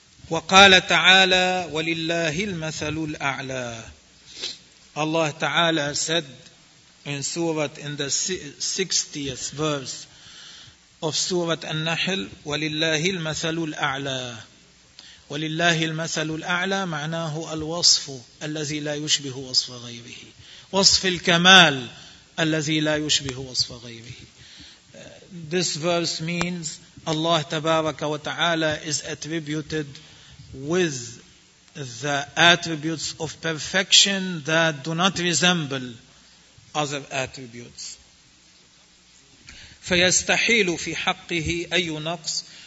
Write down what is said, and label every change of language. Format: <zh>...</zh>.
<ar>وقال تعالى ولله المثل الأعلى.</ar> <en>Allah تعالى said in Surah, in the 60th verse of Surah An-Nahl,</en> <ar>ولله المثل الأعلى. ولله المثل الأعلى معناه الوصف الذي لا يشبه وصف غيره. وصف الكمال الذي لا يشبه وصف غيره.</ar> <en>This verse means Allah تبارك وتعالى is attributed with the attributes of perfection that do not resemble other attributes.</en> <ar>فيستحيل في حقه أي نقص.</ar>